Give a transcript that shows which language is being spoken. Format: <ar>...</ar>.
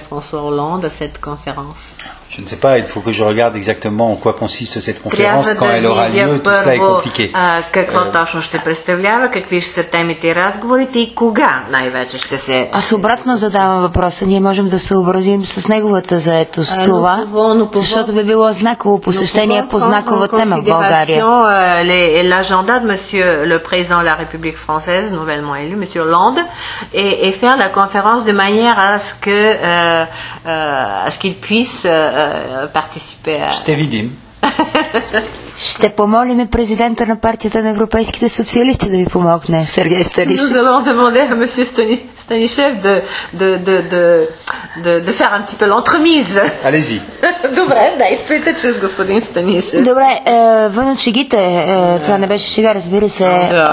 <fr>Je ne sais pas, il faut que je regarde exactement en quoi consiste cette conférence, quand elle aura lieu, tout cela est compliqué.</fr> <bg>Какво точно ще представлява, какви ще са темите и разговорите и кога най-вече ще се... Аз обратно задавам въпроса, ние можем да се образим с неговата заетост това, защото би било знаково посещение по знакова тема в България.</bg> <fr>L'agenda de monsieur le président de la République française, nouvellement élu, monsieur Hollande, et faire la conférence de manière à ce qu'il puisse participer.</fr> <bg>Ще видим. Ще помолим президента на партията на европейските социалисти да ви помогне, Сергей Станишев.</bg> <fr>Nous allons demander à monsieur Станишев de faire un petit peu l'entremise. Allez-y.</fr> <bg>Добре, дайте пейте чрез господин Станишев. Добре, вънучегите, това не беше шега, разбира се.</bg>